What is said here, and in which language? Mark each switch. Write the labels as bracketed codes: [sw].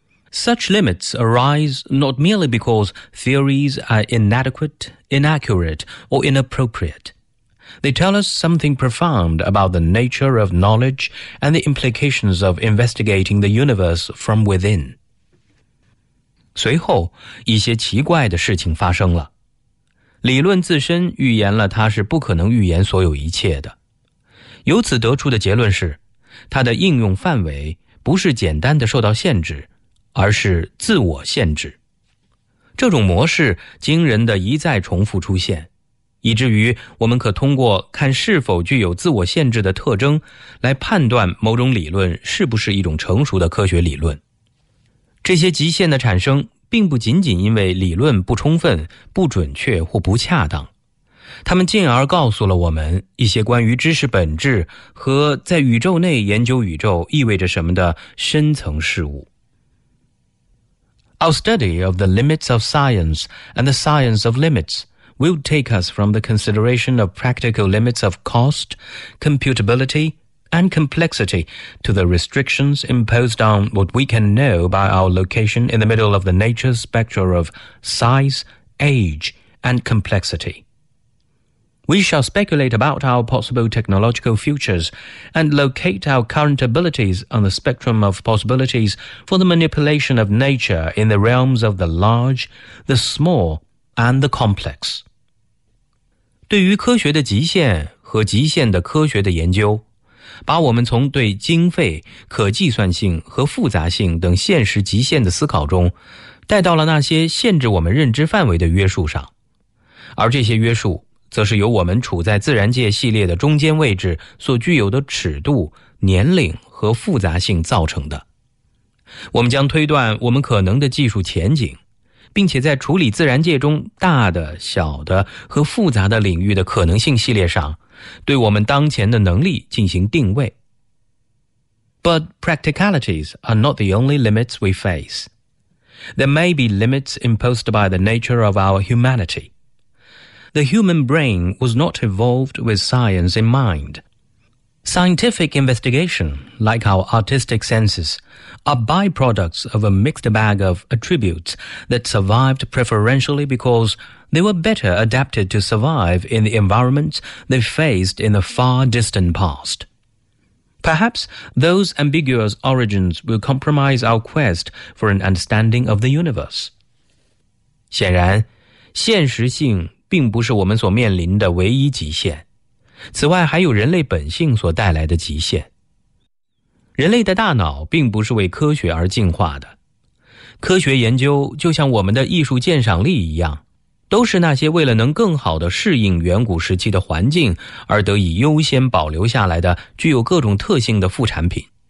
[en] Such limits arise not merely because theories are inadequate, inaccurate, or inappropriate. They tell us something profound about the nature of knowledge and the implications of investigating the universe from within. [zh] 随后，一些奇怪的事情发生了。理论自身预言了它是不可能预言所有一切的。由此得出的结论是，它的应用范围不是简单的受到限制，而是自我限制。这种模式惊人的一再重复出现，以至于我们可通过看是否具有自我限制的特征来判断某种理论是不是一种成熟的科学理论。这些极限的产生并不仅仅因为理论不充分、不准确或不恰当，他们进而告诉了我们一些关于知识本质和在宇宙内研究宇宙意味着什么的深层事物。 [en] Our study of the limits of science and the science of limits will take us from the consideration of practical limits of cost, computability, and complexity to the restrictions imposed on what we can know by our location in the middle of the nature spectra of size, age and complexity. We shall speculate about our possible technological futures and locate our current abilities on the spectrum of possibilities for the manipulation of nature in the realms of the large, the small, and the complex. [zh] 对于科学的极限和极限的科学的研究，把我们从对经费、可计算性和复杂性等现实极限的思考中，带到了那些限制我们认知范围的约束上。而这些约束则是由我们处在自然界系列的中间位置所具有的尺度、年龄和复杂性造成的。我们将推断我们可能的技术前景，并且在处理自然界中大的、小的和复杂的领域的可能性系列上，对我们当前的能力进行定位。 [en] But practicalities are not the only limits we face. There may be limits imposed by the nature of our humanity. The human brain was not evolved with science in mind. Scientific investigation, like our artistic senses, are byproducts of a mixed bag of attributes that survived preferentially because they were better adapted to survive in the environments they faced in the far distant past. Perhaps those ambiguous origins will compromise our quest for an understanding of the universe. [zh] 显然，现实性并不是我们所面临的唯一极限，此外还有人类本性所带来的极限。人类的大脑并不是为科学而进化的，科学研究就像我们的艺术鉴赏力一样，都是那些为了能更好地适应远古时期的环境而得以优先保留下来的具有各种特性的副产品。